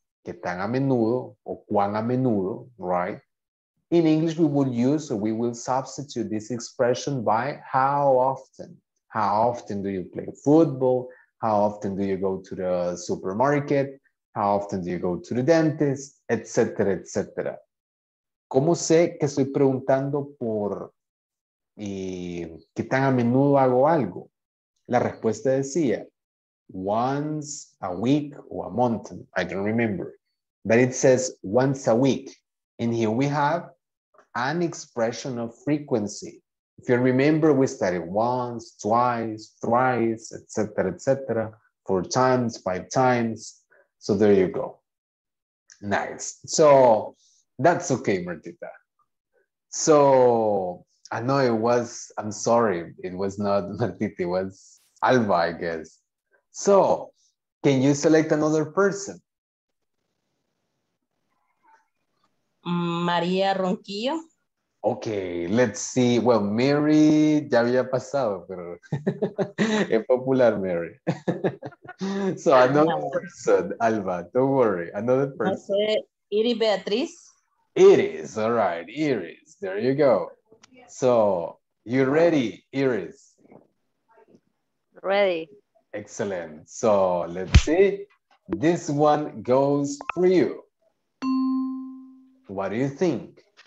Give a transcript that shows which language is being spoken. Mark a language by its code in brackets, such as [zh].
[es] ¿Qué tan a menudo? O ¿cuán a menudo? Right? [en] In English, we will use, or we will substitute this expression by how often. How often do you play football? How often do you go to the supermarket? How often do you go to the dentist? Etc., etc. [es] ¿Cómo sé que estoy preguntando por qué tan a menudo hago algo? La respuesta decía, [en] once a week or a month, I don't remember. But it says once a week. And here we have an expression of frequency. If you remember, we studied once, twice, thrice, etc., etc., four times, five times. So there you go. Nice. So that's okay, Martita. So I know it was, I'm sorry, it was not Martita, it was Alba, I guess. So can you select another person? Maria Ronquillo. Okay, let's see. [es] Well, Mary, ya había pasado, pero es popular, Mary. [en] So another person, Alba, don't worry, another person. Iris Beatriz. Iris, all right, Iris, there you go. So you ready, Iris? Ready. Excellent. So let's see. This one goes for you. What do you think?